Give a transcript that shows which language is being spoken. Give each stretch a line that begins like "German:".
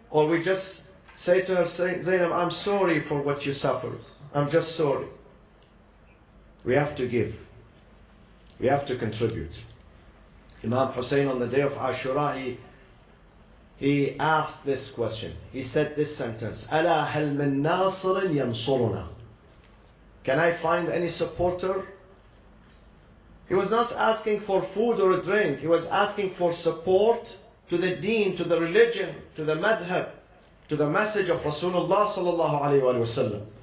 English: Or we just say to her, Zainab, I'm sorry for what you suffered. I'm just sorry. We have to give. We have to contribute. Imam Hussein on the day of Ashura, he asked this question. He said this sentence,
Arabic: أَلَا هَلْ مِنْ نَاصِرٍ يَنْصُرُنَا.
English: Can I find any supporter? He was not asking for food or a drink. He was asking for support to the deen, to the religion, to the madhab, to the message of Rasulullah sallallahu alayhi wa sallam.